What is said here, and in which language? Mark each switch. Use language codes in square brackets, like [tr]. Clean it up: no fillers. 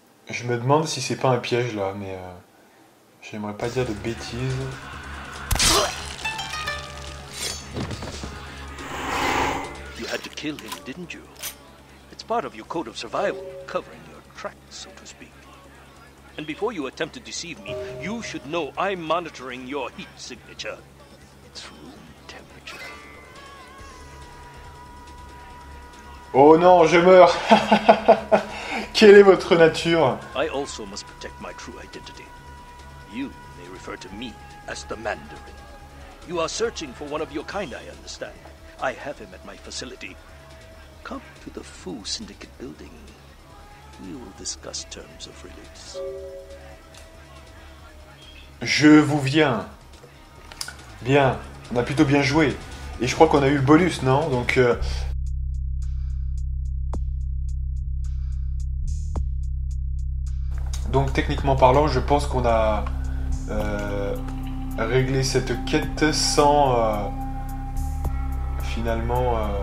[fr] Je me demande si c'est pas un piège là, mais j'aimerais pas dire de bêtises. [en] You had to kill him, didn't you? It's part of your code of survival, covering your tracks, so to speak. And before you attempt to deceive me, you should know I'm monitoring your heat signature. It's room temperature. [fr] Oh non, je meurs. Quelle est votre nature? [en] I also must protect my true identity. You may refer to me as the Mandarin. You are searching for one of your kind, I understand. I have him at my facility. Come to the Fu Syndicate building. We will discuss terms of release. [fr] Je vous viens. Bien, on a plutôt bien joué. Et je crois qu'on a eu le bonus, non? Donc. Donc techniquement parlant, je pense qu'on a régler cette quête sans finalement.